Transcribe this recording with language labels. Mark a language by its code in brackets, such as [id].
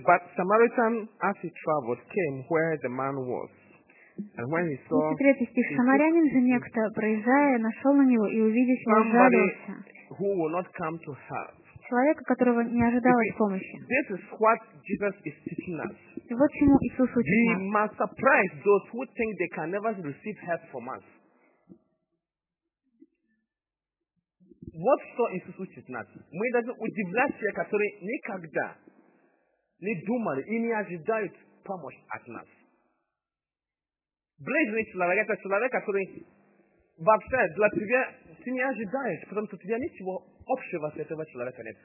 [en] But Samaritan, as he traveled, came where the man was. And when he saw, [ru] самарянин же некто, проезжая, нашел на него и увидев, ужалился. [en] Who will not come to help? [ru] Человека, которого не ожидалось помощи. [en] This is what Jesus is teaching us. [ru] И вот чему Иисус учит нас. [en] We must surprise those who think they can never receive help from us. [ru] Вот что Иисус учит нас. Мы должны удивлять тех, которые никогда не думали и не ожидают помощь от нас. Близкий человек, это человек, который вообще для тебя ты не ожидаешь, потому что у тебя ничего общего с этого человека нет.